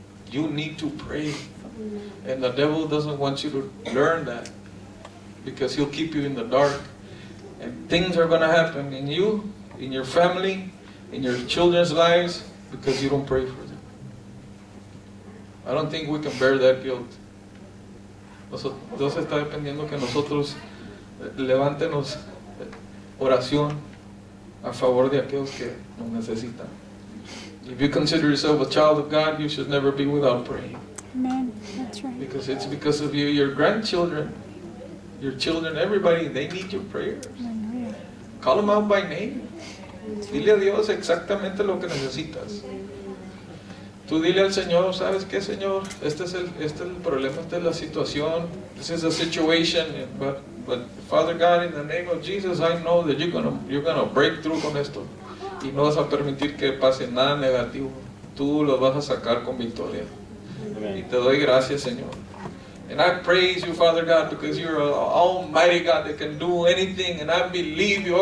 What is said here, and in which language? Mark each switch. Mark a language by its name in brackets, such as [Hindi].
[English] You need to pray. And the devil doesn't want you to learn that, because he'll keep you in the dark. And things are going to happen in you, in your family, in your children's lives, because you don't pray for them. I don't think we can bear that guilt. [Spanish] Dios está dependiendo que nosotros levantemos oración a favor de aquellos que nos necesitan. [English] If you consider yourself a child of God, you should never be without praying. Amen. That's right. Because it's because of you, your grandchildren, your children, everybody, they need your prayers. Amen. Call them out by name. [Spanish] Dile a Dios exactamente lo que necesitas. Tú dile al Señor, ¿sabes qué, Señor? Este es el problema, esta es la situación. [English] This is the situation. But Father God, in the name of Jesus, I know that you're gonna break through [Spanish] con esto. Y no vas a permitir que pase nada negativo. Tú lo vas a sacar con victoria. Amen. Y te doy gracias, Señor. [English] And I praise you, Father God, because you're an almighty God that can do anything. And I believe you.